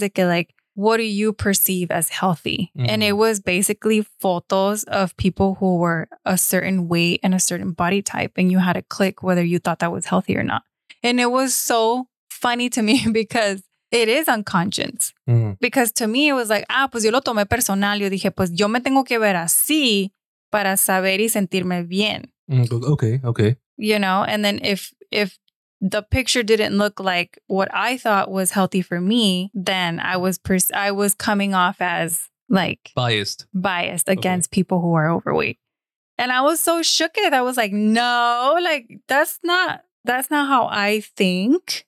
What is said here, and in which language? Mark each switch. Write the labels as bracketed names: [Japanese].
[English] Like, what do you perceive as healthy? Mm-hmm. And it was basically photos of people who were a certain weight and a certain body type. And you had to click whether you thought that was healthy or not. And it was so funny to me because it is unconscious. Because to me, it was like, ah, [Spanish] pues yo lo tomé personal. Yo dije, pues yo me tengo que ver así para saber y sentirme bien. [English] Okay, okay. You know, and then if the picture didn't look like what I thought was healthy for me, then I was coming off as like biased against people who are overweight. And I was so shook at it. I was like, no, like that's not how I think.